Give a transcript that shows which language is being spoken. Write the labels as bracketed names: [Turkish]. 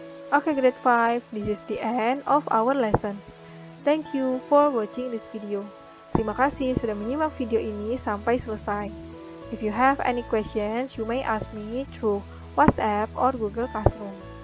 [English] Oke, grade 5, this is the end of our lesson. Thank you for watching this video. [Indonesian] Terima kasih sudah menyimak video ini sampai selesai. [English] If you have any questions, you may ask me through WhatsApp or Google Classroom.